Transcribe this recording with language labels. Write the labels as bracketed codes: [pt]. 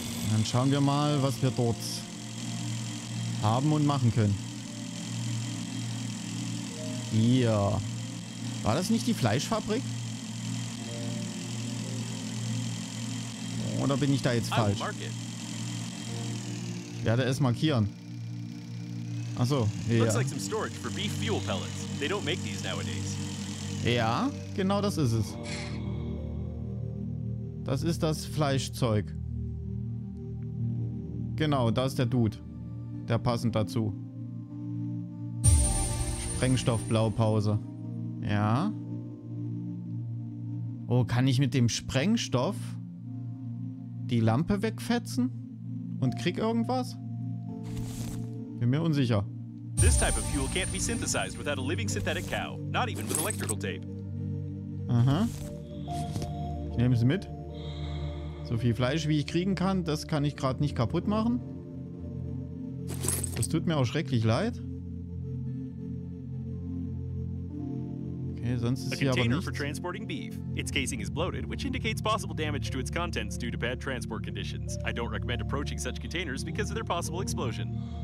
[de] Dann schauen wir mal, was wir dort haben und machen können. Ja. War das nicht die Fleischfabrik? Oder bin ich da jetzt falsch? Ich werde es markieren. Achso, ja. [en] Looks like some storage for beef fuel pellets. They don't make these nowadays. [de] Ja, genau das ist es. Das ist das Fleischzeug. Genau, da ist der Dude. Der passend dazu. Sprengstoffblaupause. Ja. Oh, kann ich mit dem Sprengstoff die Lampe wegfetzen und krieg irgendwas? Bin mir unsicher. [en] This type of fuel can't be synthesized without a living synthetic cow, not even with electrical tape. [de] Aha. Ich nehme es mit. So viel Fleisch, wie ich kriegen kann, das kann ich gerade nicht kaputt machen. Das tut mir auch schrecklich leid. [en] A container for transporting beef. Its casing is bloated, which indicates possible damage to its contents due to bad transport conditions. I don't recommend approaching such containers because of their possible explosion.